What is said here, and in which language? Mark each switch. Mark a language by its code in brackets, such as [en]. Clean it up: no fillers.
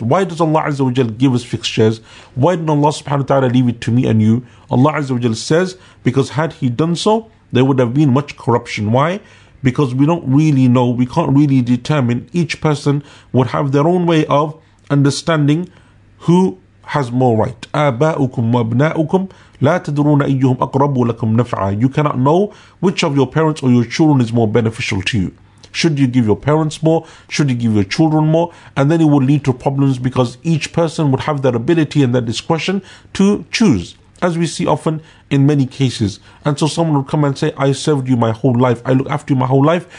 [en] Why does Allah Azza wa Jal give us fixed shares? Why didn't Allah subhanahu wa ta'ala leave it to me and you? Allah Azza wa Jal says, because had he done so, there would have been much corruption. Why? Because we don't really know, we can't really determine. Each person would have their own way of understanding who has more right. [ar] آباؤكم وابناؤكم لا تدرون أيهم أقرب لكم نفعا. [en] You cannot know which of your parents or your children is more beneficial to you. Should you give your parents more? Should you give your children more? And then it would lead to problems because each person would have that ability and that discretion to choose, as we see often in many cases. And so someone would come and say, I served you my whole life. I look after you my whole life.